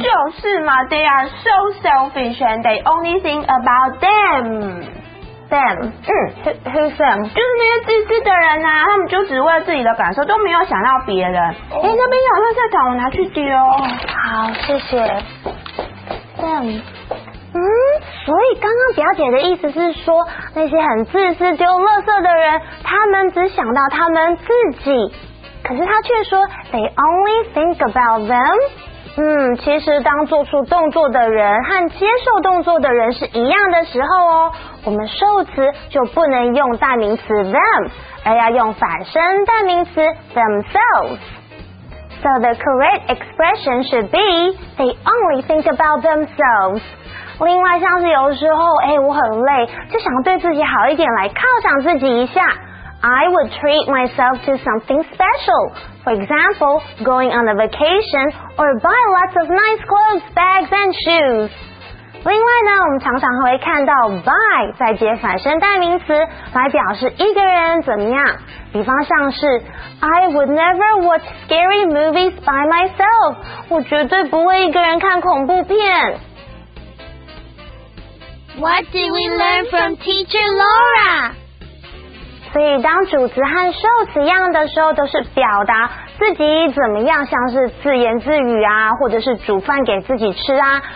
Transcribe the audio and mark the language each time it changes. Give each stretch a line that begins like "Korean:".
Chinese: 就是嘛
English: ，they are so selfish and they only think about them. Them. Who's them?
Chinese: 就是那些自私的人啊，他们就只为了自己的感受，都没有想到别人。哎、那边有垃圾桶，我拿去丢。好，谢谢。
English: Them.
Chinese: 所以刚刚表姐的意思是说，那些很自私丢垃圾的人，他们只想到他们自己，可是他却说
English: they only think about them.
Chinese: 其实当做出动作的人和接受动作的人是一样的时候哦，我们受词就不能用代名词 them， 而要用反身代名词 themselves。
English: So the correct expression should be they only think about themselves。
Chinese: 另外像是有时候我很累，就想对自己好一点，来犒赏自己一下。
English: I would treat myself to something special. For example, going on a vacation or buy lots of nice clothes, bags, and shoes.
Chinese: 另外呢，我们常常会看到 buy 再接反身代名词来表示一个人怎么样。
English: 比方像是 I would never watch scary movies by myself.
Chinese: 我绝对不会一个人看恐怖片。
English: What did we learn from Teacher Laura?
Chinese: 所以当主词和受词一样的时候，都是表达自己怎么样，像是自言自语啊，或者是煮饭给自己吃啊。